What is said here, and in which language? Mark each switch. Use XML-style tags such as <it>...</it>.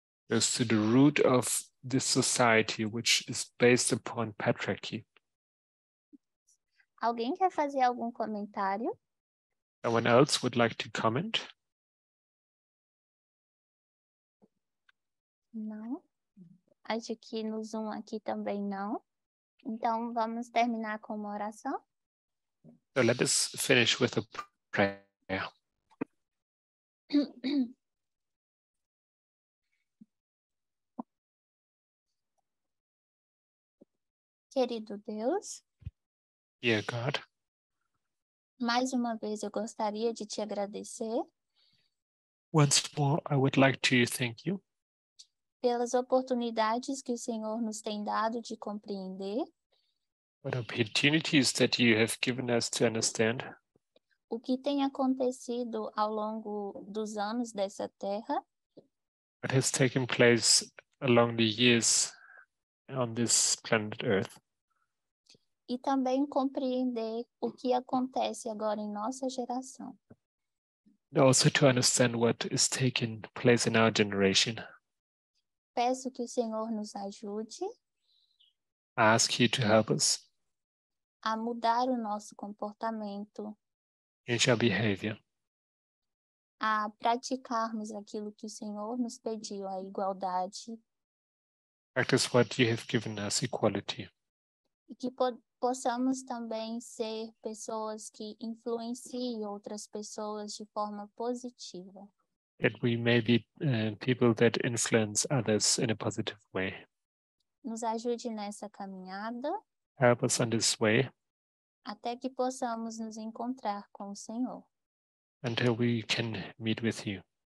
<en>Goes to the root of this society, which is based upon patriarchy.</en> <pt>Alguém quer fazer algum comentário?</pt> <en>Someone else would like to comment?</en> <pt>Não. Acho que no Zoom aqui também não. Então, vamos terminar com uma oração?</pt> <en>So let us finish with a prayer.</en> <pt>Querido Deus,</pt> <en>dear God,</en> <pt>mais uma vez eu gostaria de te agradecer.</pt> <en>Once more, I would like to thank you.</en> <pt>Pelas oportunidades que o Senhor nos tem dado de compreender.</pt> <en>What opportunities that you have given us to understand.</en> <pt>O que tem acontecido ao longo dos anos dessa terra.</pt> <en>What has taken place along the years on this planet Earth.</en> <pt>E também compreender o que acontece agora em nossa geração.</pt> <en>Also to understand what is taking place in our generation.</en> <pt>Peço que o Senhor nos ajude.</pt> <en>I ask you to help us.</en> <pt>A mudar o nosso comportamento.</pt> <en>Change our behavior.</en> <pt>A praticarmos aquilo que o Senhor nos pediu, a igualdade.</pt> <en>Practice what you have given us, equality.</en> <pt>E que possamos também ser pessoas que influenciem outras pessoas de forma positiva.</pt> <en>That we may be people that influence others in a positive way.</en> <pt>Nos ajude nessa caminhada.</pt> <en>Help us on this way.</en> <pt>Até que possamos nos encontrar com o Senhor.</pt> <en>Until we can meet with you.</en>